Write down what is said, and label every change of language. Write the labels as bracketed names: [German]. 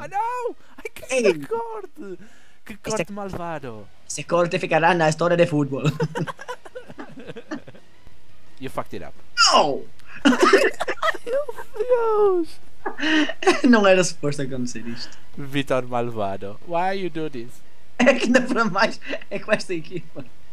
[Portuguese] Ah não! Ai que corte! Que corte este malvado! Esse corte ficará na história de futebol. [English] You fucked it up. No! [Portuguese] Ai meu Deus! Não era suposto acontecer isto. [English] Vitor Malvado, why you do this? [Portuguese] É que ainda para mais, é com esta equipa.